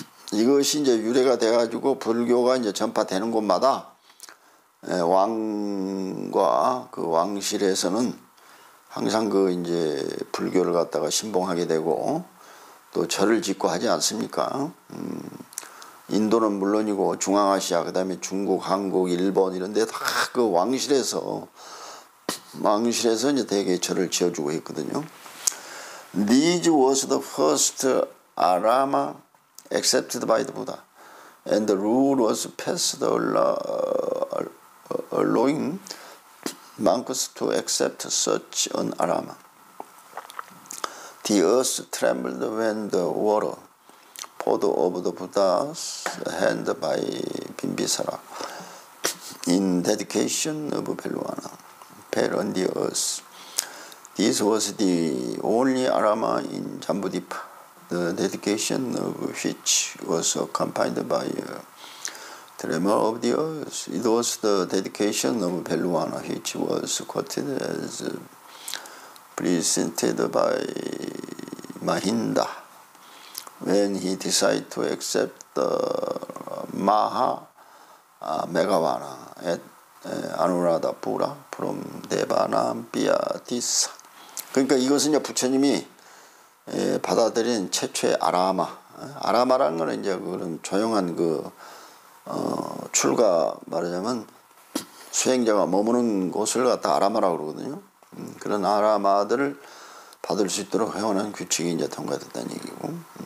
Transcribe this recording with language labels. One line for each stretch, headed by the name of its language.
Korean: 이것이 이제 유래가 돼가지고 불교가 이제 전파되는 곳마다 왕과 그 왕실에서는 항상 그 이제 불교를 갖다가 신봉하게 되고 또 절을 짓고 하지 않습니까? 인도는 물론이고 중앙아시아 그다음에 중국, 한국, 일본 이런데 다 그 왕실에서 이제 대개 절을 지어주고 했거든요.
English: These was the first Arama. Accepted by the Buddha, and the rule was passed allowing monks to accept such an arama. The earth trembled when the water poured over the Buddha's hand by Bimbisara in dedication of Pelluana, fell on the earth. This was the only arama in Jambudipa. The dedication of which was accompanied by a tremor of the earth. It was the dedication of Pelluana, which was quoted as presented by Mahinda when he decided to accept the Maha Meghavana at Anuradhapura from Devanampiya Tissa.
Korean: 그러니까 이것은 이제 부처님이 받아들인 최초의 아라마. 아라마라는 거는 이제 그런 조용한 그 출가 말하자면 수행자가 머무는 곳을 갖다 아라마라고 그러거든요. 그런 아라마들을 받을 수 있도록 회원한 규칙이 이제 통과됐다는 얘기고.